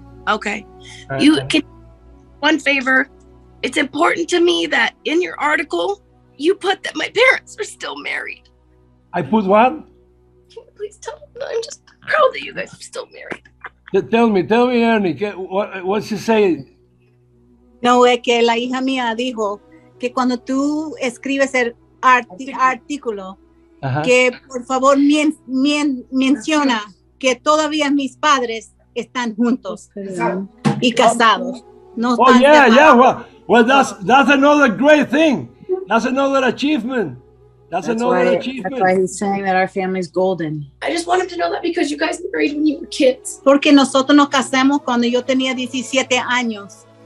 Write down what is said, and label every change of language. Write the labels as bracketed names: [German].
[English] Okay. One favor. It's important to me that in your article, you put that my parents are still married. I put what? Can you please tell me? I'm just proud that you guys are still married. Tell me, Ernie, what's she saying? [Spanish] No, es que la hija mía dijo que cuando tú escribes el artículo, que por favor menciona que todavía mis padres están juntos y casados. [English] Well, that's another great thing. That's another achievement. That's why he's saying that our family's golden. I just want him to know that because you guys married when you were kids. [Spanish] Porque nosotros nos casamos cuando yo tenía 17 años.